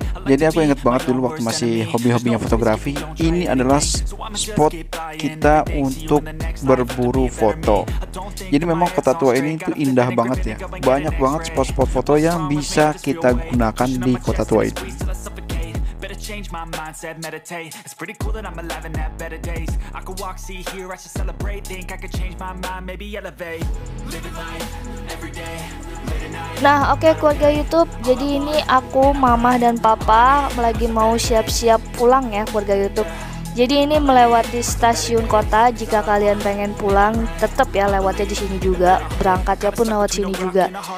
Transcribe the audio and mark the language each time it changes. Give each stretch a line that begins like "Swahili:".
Indonesian: Jadi aku ingat banget dulu waktu masih hobi-hobinya fotografi, ini adalah spot kita untuk berburu foto. Jadi memang Kota Tua ini itu indah banget ya. Banyak banget spot-spot foto yang bisa kita gunakan di Kota Tua ini.
English: Change my mindset, meditate. It's pretty cool that I'm alive and have better days. I could walk, see, hear, I should celebrate. Think I could change my mind, maybe elevate. Living life, every day.
Indonesian: Nah oke okay, keluarga YouTube, jadi ini aku, mama dan papa lagi mau siap-siap pulang ya keluarga YouTube. Jadi ini melewati stasiun kota, jika kalian pengen pulang tetap ya lewatnya di sini juga, berangkatnya pun lewat sini juga.